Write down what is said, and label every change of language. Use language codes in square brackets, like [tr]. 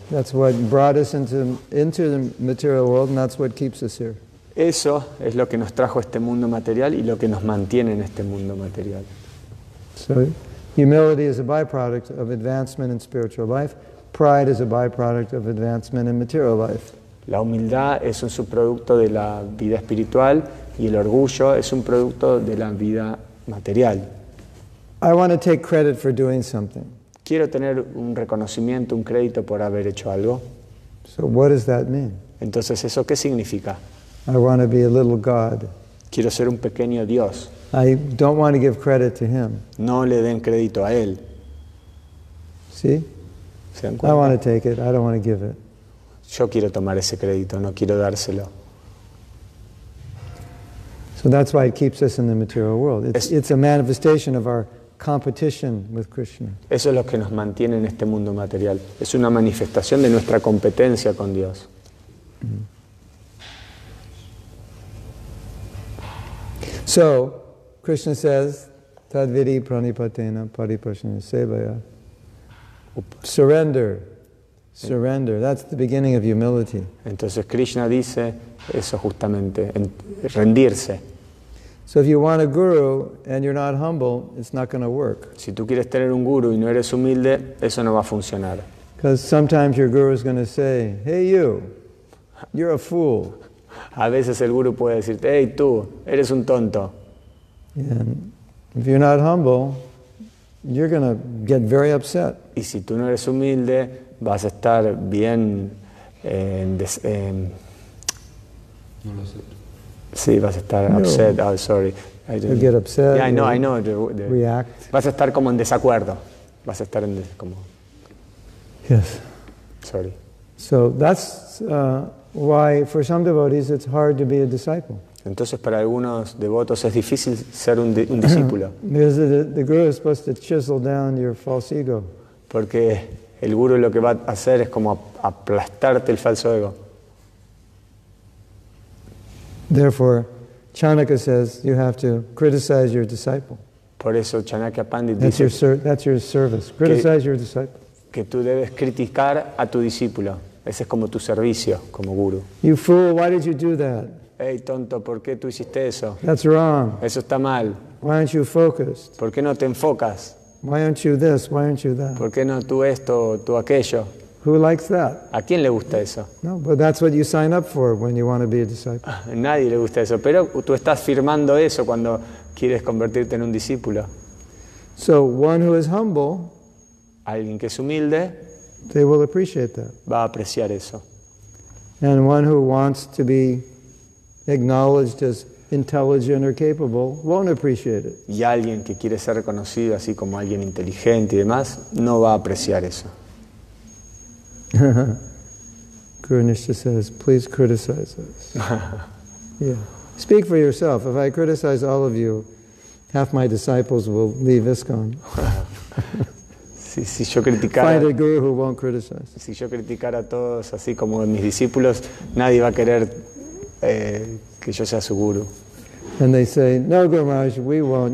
[en] That's what brought us into the material world, and that's what keeps us here. [es] Eso es lo que nos trajo a este mundo material y lo que nos mantiene en este mundo material. [en] So, humility is a byproduct of advancement in spiritual life. Pride is a byproduct of advancement in material life. [es] La humildad es un subproducto de la vida espiritual y el orgullo es un producto de la vida material. [en] I want to take credit for doing something. [es] Quiero tener un reconocimiento, un crédito por haber hecho algo. [en] So what does that mean? [es] Entonces, ¿eso qué significa? [en] I want to be a little God. [es] Quiero ser un pequeño Dios. [en] I don't want to give credit to him. [es] No le den crédito a él. ¿Sí? ¿Se dan cuenta? [en] I want to take it. I don't want to give it. [es] Yo quiero tomar ese crédito, no quiero dárselo. [en] So that's why it keeps us in the material world. It's a manifestation of our competition with Krishna. [es] Eso es lo que nos mantiene en este mundo material. Es una manifestación de nuestra competencia con Dios. [en] So, Krishna says, [sa] tadvidi pranipatena paripashana sevaya. [en] Surrender. Surrender. That's the beginning of humility. [es] Entonces Krishna dice eso justamente, rendirse. [en] So if you want a guru and you're not humble, it's not going to work. [es] Si tú quieres tener un guru y no eres humilde, eso no va a funcionar. [en] Because sometimes your guru is going to say, "Hey you, you're a fool." [es] A veces el guru puede decirte, "Hey tú, eres un tonto." [en] And if you're not humble, you're going to get very upset. [es] Y si tú no eres humilde, vas a estar bien no lo sé. Sí, vas a estar upset. [en] Oh, sorry. You'll get upset. Yeah, I know. React. [es] Vas a estar como en desacuerdo. Vas a estar en como. [en] Yes. Sorry. So that's why for some devotees it's hard to be a disciple. [es] Entonces para algunos devotos es difícil ser un discípulo. [en] Because the guru is supposed to chisel down your false ego. [es] Porque el guru lo que va a hacer es como aplastarte el falso ego. [en] Therefore, Chanaka says you have to criticize your disciple. [es] Por eso Chanaka Pandit [en] that's [es] dice [en] that's your service. Criticize your disciple. [es] Que tú debes criticar a tu discípulo. Ese es como tu servicio como guru. [en] You fool, why did you do that? [es] Hey, tonto, ¿por qué tú hiciste eso? [en] That's wrong. [es] Eso está mal. [en] Why aren't you focused? [es] ¿Por qué no te enfocas? [en] Why aren't you this? Why aren't you that? [es] ¿Por qué no tú esto, tú aquello? [en] Who likes that? [es] ¿A quién le gusta eso? [en] No, but that's what you sign up for when you want to be a disciple. [es] Nadie le gusta eso, pero tú estás firmando eso cuando quieres convertirte en un discípulo. [en] So one who is humble, [es] alguien que es humilde, [en] they will appreciate that. [es] Va a apreciar eso. [en] And one who wants to be acknowledged as intelligent or capable won't appreciate it. [es] Y alguien que quiere ser reconocido así como alguien inteligente y demás, no va a apreciar eso. [en] Guru Nishtha says, please criticize us. Yeah. Speak for yourself. If I criticize all of you, half my disciples will leave ISKCON. Find a guru who won't criticize. [es] Si yo criticara a todos así como mis discípulos, nadie va a querer que yo sea su guru. [en] And they say, no, Guru Maharaj, we won't.